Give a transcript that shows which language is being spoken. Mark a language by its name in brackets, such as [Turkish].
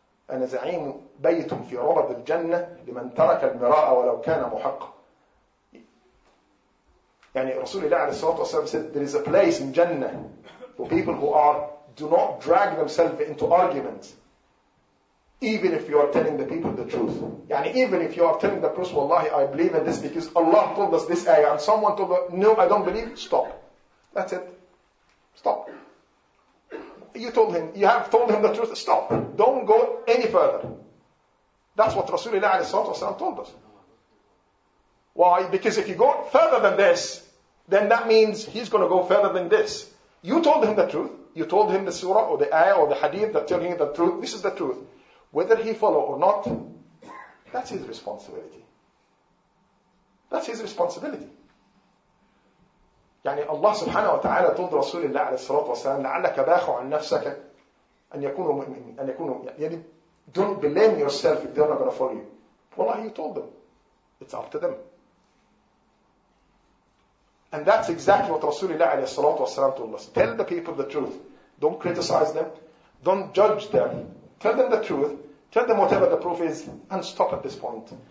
[Arabic] أنا زعيم بيت في ربض الجنة لمن ترك المراء ولو كان محقا. [English] يعني [Arabic] رسول الله عليه الصلاة والسلام [English] said there is a place in Jannah for people who are do not drag themselves into arguments, even if you are telling the people the truth. يعني even if you are telling the truth, والله I believe in this because Allah told us this ayah and someone told us no I don't believe, stop. That's it. Stop. You have told him the truth, stop. Don't go any further. That's what Rasulullah alayhi salatu wasalam told us. Why? Because if you go further than this, then that means he's going to go further than this. You told him the truth. You told him the surah or the ayah or the hadith that telling him the truth. This is the truth. Whether he follow or not, that's his responsibility. That's his responsibility. [Arabic] يعني الله سبحانه وتعالى طلب رسول الله عليه الصلاة والسلام لعلك باخ عن نفسك أن يكونوا يعني [English] don't blame yourself if they're not gonna follow you. والله he told them. It's up to them. And that's exactly what [Arabic] رسول الله عليه الصلاة والسلام [English] told us. Tell the people the truth. Don't criticize them. Don't judge them. Tell them the truth. Tell them whatever the proof is and stop at this point.